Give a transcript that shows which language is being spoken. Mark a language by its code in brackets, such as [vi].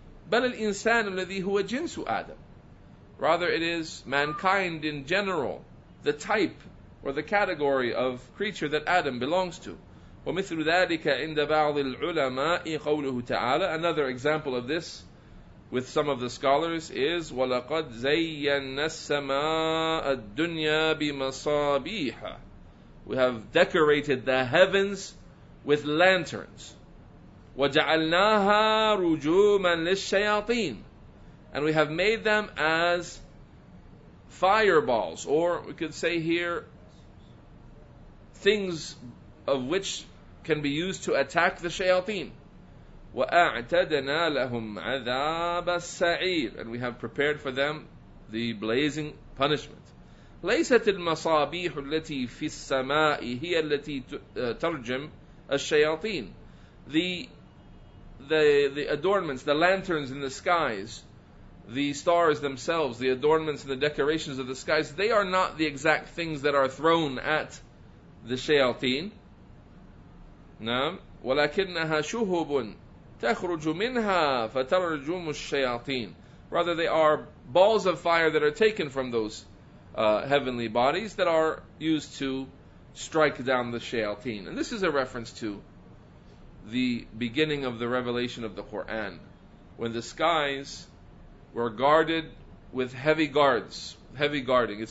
[ar] بل الإنسان الذي هو جنس آدم. [en] Rather, it is mankind in general, the type or the category of creature that Adam belongs to. [ar] ومثل ذلك عند بعض العلماء قوله تعالى. [en] Another example of this with some of the scholars is [ar] وَلَقَدْ زَيَّنَّا السَّمَاءَ الدُّنْيَا بِمَصَابِيحَ. [en] We have decorated the heavens with lanterns. [ar] وَجَعَلْنَاهَا رُجُومًا لِلشَّيَاطِينَ. [en] And we have made them as fireballs, or we could say here things of which can be used to attack the shayateen. [ar] وَأَعْتَدَنَا لَهُمْ عَذَابَ السَّعِيرِ. [en] And we have prepared for them the blazing punishment. [ar] لَيْسَتِ الْمَصَابِيحُ الَّتِي فِي السَّمَاءِ هِيَ الَّتِي تُرْجِمْ الشَّيَاطِينَ. [en] The adornments, the lanterns in the skies, the stars themselves, the adornments and the decorations of the skies, they are not the exact things that are thrown at the shayateen. [ar] نعم. وَلَكِنَّهَا شُهُبٌ تخرج منها فترجم الشياطين. [en] Rather, they are balls of fire that are taken from those heavenly bodies that are used to strike down the shayateen. And this is a reference to the beginning of the revelation of the Quran, when the skies were guarded with heavy guards, heavy guarding.